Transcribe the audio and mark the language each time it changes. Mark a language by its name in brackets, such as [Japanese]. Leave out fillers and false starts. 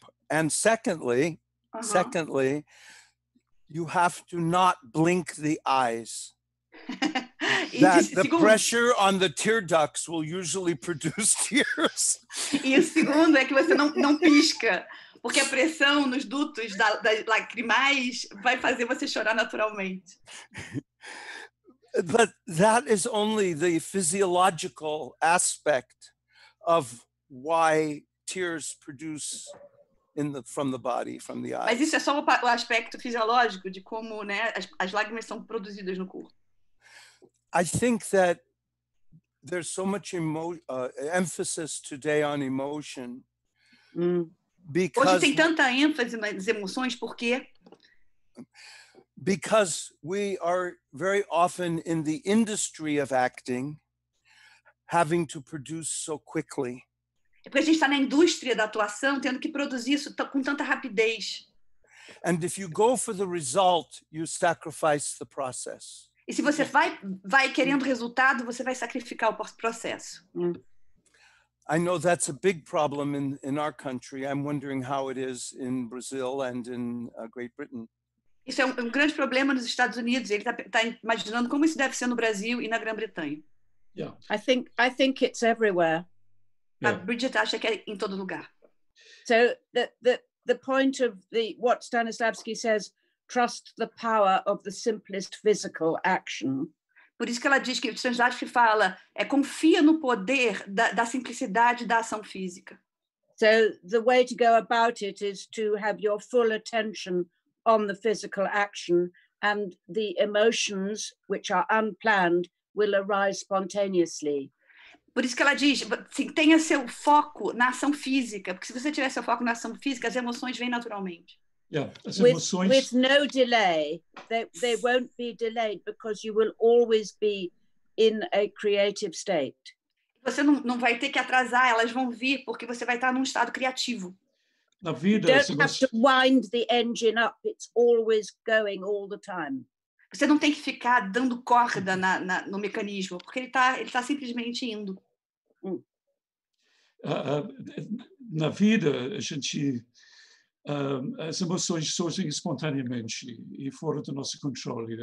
[English] And secondly, you have to not blink the eyes. That the pressure on the tear ducts will usually produce tears. [Portuguese] E o segundo é que você não pisca, porque a pressão nos dutos da lacrimais vai fazer você chorar naturalmente. [English] But that is only the physiological aspect of why tears produce from the body, from the eyes. [Portuguese] Mas isso é só o aspecto fisiológico de como, né, as lágrimas são produzidas no corpo. [English] I think that there's so much emphasis today on emotion. [Portuguese] Hoje tem tanta ênfase nas emoções, por quê? [English] Because we are very often in the industry of acting, having to produce so quickly. [Portuguese] É porque a gente está na indústria da atuação, tendo que produzir isso com tanta rapidez. [English] And if you go for the result, you sacrifice the process. [Portuguese] E se você vai querendo resultado, você vai sacrificar o processo. [English] I know that's a big problem in our country. I'm wondering how it is in Brazil and in Great Britain. [Portuguese] Isso é um grande problema nos Estados Unidos. Ele está imaginando como isso deve ser no Brasil e na Grã-Bretanha. [English] Yeah. I think it's everywhere. [Portuguese] Yeah. Brigid acha que é em todo lugar. [English] So the point of what Stanislavski says, trust the power of the simplest physical action. [Portuguese] Por isso que ela diz que Stanislavski fala é confia no poder da simplicidade da ação física. [English] So the way to go about it is to have your full attention on the physical action, and the emotions which are unplanned will arise spontaneously. [Portuguese] Por isso que ela diz, assim, tenha seu foco na ação física, porque se você tiver seu foco na ação física, as emoções vêm naturalmente. Yeah, as emoções. [English] With no delay, they won't be delayed because you will always be in a creative state. [Portuguese] Você não vai ter que atrasar, elas vão vir porque você vai estar num estado criativo. Na vida, [English] you don't have to wind the engine up, it's always going all the time. [Portuguese] Você não tem que ficar dando corda no mecanismo, porque ele tá simplesmente indo. Na vida, a gente... as emoções surgem espontaneamente e fora do nosso controle.